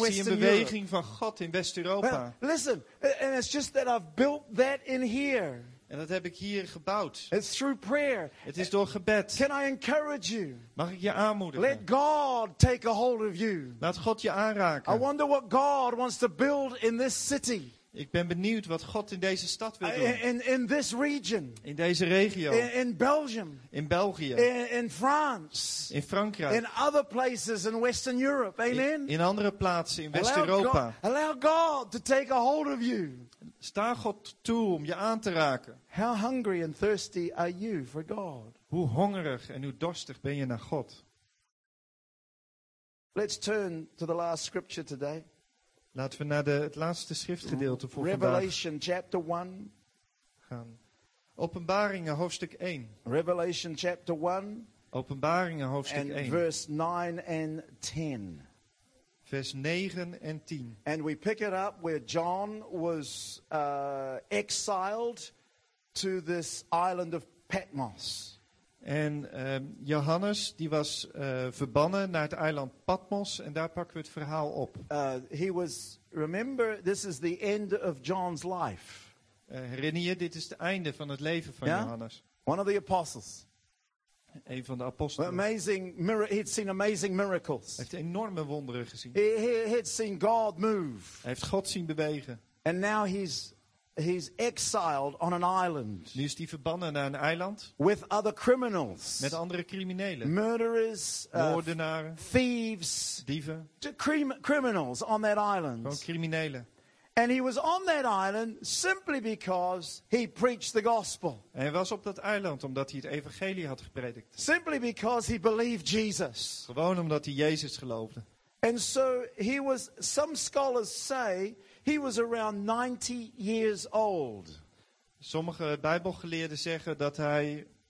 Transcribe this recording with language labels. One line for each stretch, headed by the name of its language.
Dutch: Europe. Ik zie een beweging van God in West-Europa.
English: Well, listen, and it's just that I've built that in here.
Dutch: En dat heb ik hier gebouwd.
English: It's through prayer.
Dutch: Het is door gebed.
English: Can I encourage you?
Dutch: Mag ik je aanmoedigen?
English: Let God take a hold of you.
Dutch: Laat God je aanraken.
English: I wonder what God wants to build in this city.
Dutch: Ik ben benieuwd wat God in deze stad wil doen.
English: In this region.
Dutch: In deze regio.
English: In Belgium.
Dutch: In België.
English: In France.
Dutch: In Frankrijk.
English: In other places in Western Europe. Amen.
Dutch: In andere plaatsen in West-Europa.
English: Allow God to take a hold of you.
Dutch: Sta God toe om je aan te raken.
English: How hungry and thirsty are you for God?
Dutch: Hoe hongerig en hoe dorstig ben je naar God?
English: Let's turn to the last scripture today.
Dutch: Laten we naar het laatste schriftgedeelte voor
English: Revelation
Dutch: vandaag
English: chapter one.
Dutch: Gaan. Openbaringen hoofdstuk 1.
English: Revelation chapter 1.
Dutch: Openbaringen hoofdstuk
English: and 1. Verse 9 and 10.
Dutch: Vers 9 en 10.
English: And we pick it up where John was exiled to this island of Patmos.
Dutch: En Johannes die was verbannen naar het eiland Patmos en daar pakken we het verhaal op.
English: He was, remember, this is the end of John's life.
Dutch: Herinner je, dit is het einde van het leven van Johannes.
English: One of the apostles.
Dutch: Een van de apostelen.
English: Amazing, he'd seen amazing miracles.
Dutch: Hij heeft enorme wonderen gezien.
English: He'd seen God move.
Dutch: Hij heeft God zien bewegen.
English: And now he's exiled on an island.
Dutch: Nu is hij verbannen naar een eiland.
English: With other criminals.
Dutch: Met andere criminelen.
English: Murderers.
Dutch: Moordenaren.
English: Thieves.
Dutch: Dieven.
English: Criminals on that island.
Dutch: Gewoon criminelen.
English: And he was on that island simply because he preached the gospel.
Dutch: En hij was op dat eiland omdat hij het evangelie had gepredikt.
English: Simply because he believed Jesus.
Dutch: Gewoon omdat hij Jezus geloofde.
English: And so he was, some scholars say, he was around 90 years old.
Dutch: Sommige Bijbelgeleerden zeggen dat hij